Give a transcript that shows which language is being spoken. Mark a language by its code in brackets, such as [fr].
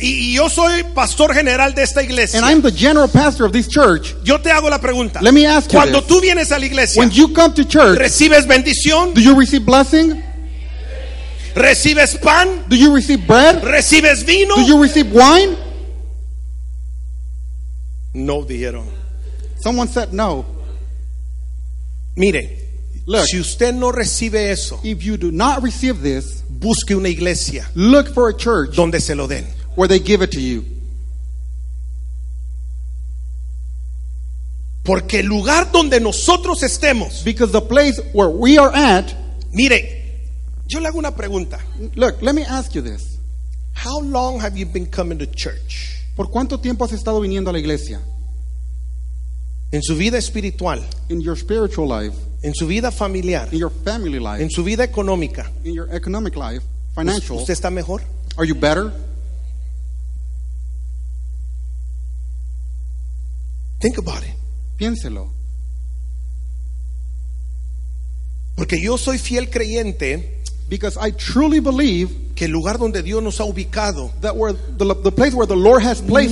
[es] Y yo soy pastor general de esta iglesia. [en] And I'm the general pastor of this church. [es] Yo te hago la pregunta. [en] Let me ask [es] Cuando [en] you this. [es] Cuando tú vienes a la iglesia. [en] When you come to church. [es] ¿Recibes bendición? [en] Do you receive blessing? [es] ¿Recibes pan? [en] Do you receive bread? [es] ¿Recibes vino? [en] Do you receive wine? [es] No dijeron. [en] Someone said no. [es] Mire, [en] look, [es] si usted no recibe eso, [en] if you do not receive this, [es] busque una iglesia. [en] Look for a church [es] donde se lo den. [en] Where they give it to you. [es] Porque el lugar donde nosotros estemos, [en] because the place where we are at, [es] mire, yo le hago una pregunta. [en] Look, let me ask you this. How long have you been coming to church? [es] ¿Por cuánto tiempo has estado viniendo a la iglesia? En su vida espiritual. [en] In your spiritual life. [es] En su vida familiar. [en] In your family life. [es] En su vida económica. [en] In your economic life. Financial. [es] ¿Usted está mejor? [en] Are you better? Think about it. [es] Piénselo. Porque yo soy fiel creyente. [en] Because I truly believe [es] que el lugar donde Dios nos ha ubicado, [en] that where the place where the Lord has placed